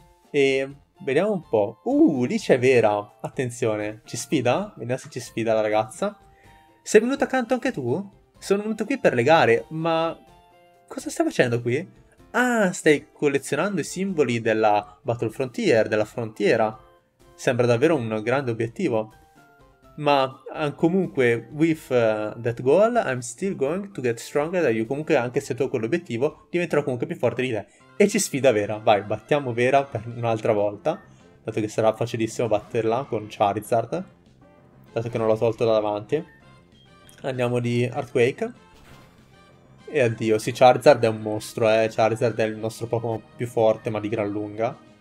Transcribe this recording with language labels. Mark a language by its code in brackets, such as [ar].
[it] E vediamo un po'. Lì c'è Vera. Attenzione, ci sfida? Vediamo se ci sfida la ragazza. Sei venuta accanto anche tu? Sono venuto qui per le gare, ma Cosa stai facendo qui? Ah, stai collezionando i simboli della Battle Frontier, della frontiera. Sembra davvero un grande obiettivo. Ma comunque, [en] with that goal, I'm still going to get stronger than you. [it] Comunque, anche se tu hai quell'obiettivo, diventerò comunque più forte di te. E ci sfida Vera. Vai, battiamo Vera per un'altra volta. Dato che sarà facilissimo batterla con Charizard. Dato che non l'ho tolto da davanti. Andiamo di Earthquake. E addio, sì, Charizard è un mostro, eh. Charizard è il nostro Pokémon più forte, ma di gran lunga.